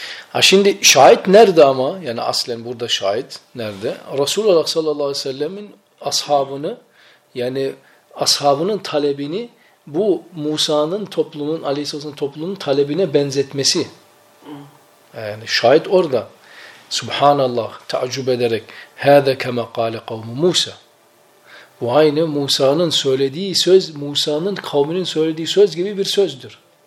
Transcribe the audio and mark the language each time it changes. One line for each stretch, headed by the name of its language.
Turkish: Ha şimdi şahit nerede ama? Yani aslen burada şahit nerede? Resulullah sallallahu aleyhi ve sellemin ashabını, yani ashabının talebini bu Musa'nın toplumunun, aleyhisselatü'nün toplumunun talebine benzetmesi. Yani şahit orada. Subhanallah, teaccüb ederek
Arabic: هَذَا كَمَا قَالَ قَوْمُ مُوسَى.
Turkish: Bu aynı Musa'nın söylediği söz, Musa'nın kavminin söylediği söz gibi bir sözdür.